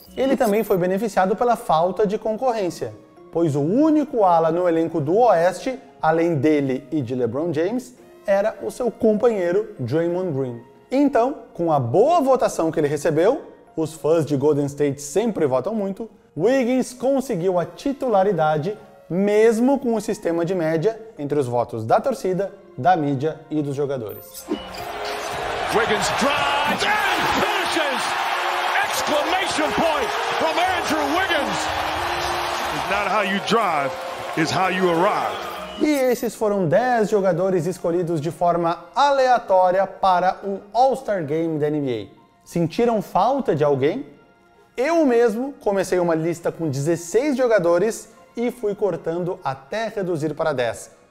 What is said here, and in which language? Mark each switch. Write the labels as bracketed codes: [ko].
[pt] Ele também foi beneficiado pela falta de concorrência, pois o único ala no elenco do Oeste, além dele e de LeBron James, era o seu companheiro Draymond Green. Então, com a boa votação que ele recebeu, os fãs de Golden State sempre votam muito, Wiggins conseguiu a titularidade mesmo com o sistema de média entre os votos da torcida, da mídia e dos jogadores. [en] Wiggins drives and finishes! Exclamation point from Andrew Wiggins! It's not how you drive, it's how you arrive. [pt] E esses foram 10 jogadores escolhidos de forma aleatória para um All-Star Game da NBA. Sentiram falta de alguém? Eu mesmo comecei uma lista com 16 jogadores e fui cortando até reduzir para 10.